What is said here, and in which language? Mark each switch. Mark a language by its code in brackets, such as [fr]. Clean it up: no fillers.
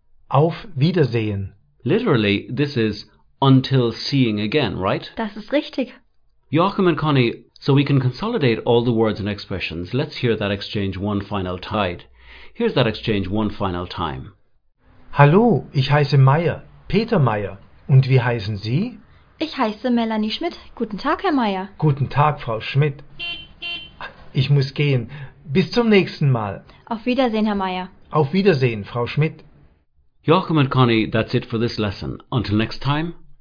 [de] Auf Wiedersehen. [en] Literally, this is until seeing again, right? [de] Das ist richtig. [en] Joachim and Connie, so we can consolidate all the words and expressions, let's hear that exchange one final time. Here's that exchange one final time. [de] Hallo, ich heiße Meier, Peter Meier. Und wie heißen Sie? Ich heiße Melanie Schmidt. Guten Tag, Herr Meier. Guten Tag, Frau Schmidt. Ich muss gehen. Bis zum nächsten Mal. Auf Wiedersehen, Herr Meier. Auf Wiedersehen, Frau Schmidt. [en] Joachim und Conny, that's it for this lesson. Until next time.